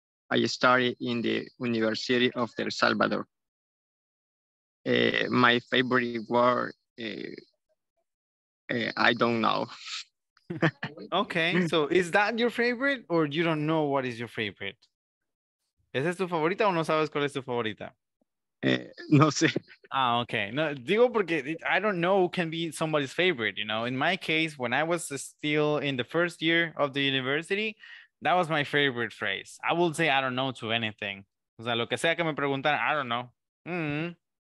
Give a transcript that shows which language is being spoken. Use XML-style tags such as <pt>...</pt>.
<en>I study in the University of El Salvador. My favorite word, I don't know. Okay, so is that your favorite or you don't know what is your favorite?</en> <es>¿Esa es tu favorita o no sabes cuál es tu favorita? No sé.</es> <en>Ah, okay.</en> <es>No, digo porque</es> <en>it, I don't know can be somebody's favorite, you know. In my case, when I was still in the first year of the university, that was my favorite phrase. I would say I don't know to anything.</en> <es>O sea, lo que sea que me preguntaran,</es> <en>I don't know. Mm-hmm.</en>